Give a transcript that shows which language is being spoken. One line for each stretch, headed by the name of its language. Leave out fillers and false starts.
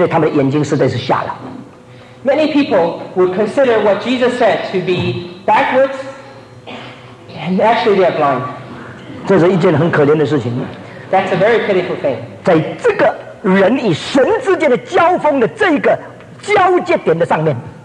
Chinese: 但是许多人把耶稣基督、把圣经当作是落伍、当作是没有知识、当作是违背文化或者阻挡科学进步的那些言论，因为他们的眼睛实在是瞎了。
English: Many people would consider what Jesus said to be backwards, and actually they are blind.
Chinese: 这是一件很可怜的事情。
English: That's a very pitiful thing.
Chinese: 在这个人与神之间的交锋的这个交界点的上面。